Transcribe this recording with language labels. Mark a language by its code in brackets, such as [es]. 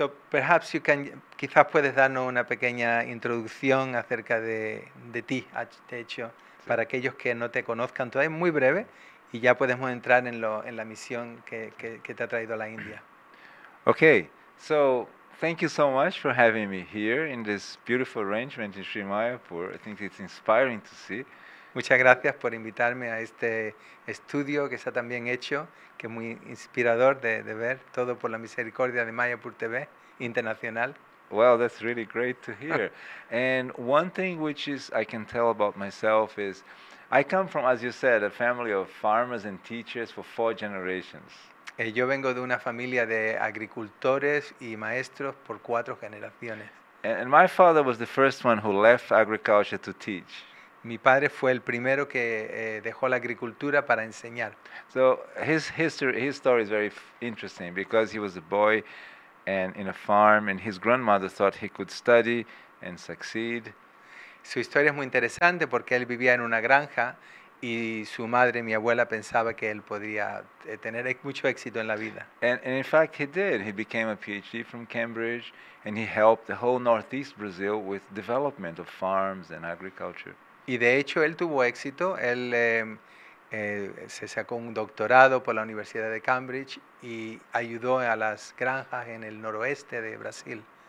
[es] Quizás puedes darnos una pequeña introducción acerca de ti, de hecho, sí, para aquellos que no te conozcan todavía, muy breve, y ya podemos entrar en la misión que te ha traído a la India. [en] Okay, so thank you so much for having me here in this beautiful arrangement in Sri Mayapur. I think it's inspiring to see. [es] Muchas gracias por invitarme a este estudio que está también hecho, que es muy inspirador de ver, todo por la misericordia de Mayapur TV Internacional. [en] Well, that's really great to hear. And one thing which is I can tell about myself is I come from, as you said, a family of farmers and teachers for 4 generations. [es] Yo vengo de una familia de agricultores y maestros por 4 generaciones. [en] And my father was the first one who left agriculture to teach. [es] Mi padre fue el primero que dejó la agricultura para enseñar. [en] So his story is very interesting because he was a boy and in a farm, and his grandmother thought he could study and succeed. [es] Su historia es muy interesante porque él vivía en una granja y su madre, mi abuela, pensaba que él podría tener mucho éxito en la vida. [en] And in fact, he did. He became a PhD from Cambridge and he helped the whole northeast Brazil with development of farms and agriculture. [es] Y de hecho, él tuvo éxito. Él se sacó un doctorado por la Universidad de Cambridge y ayudó a las granjas en el noroeste de Brasil.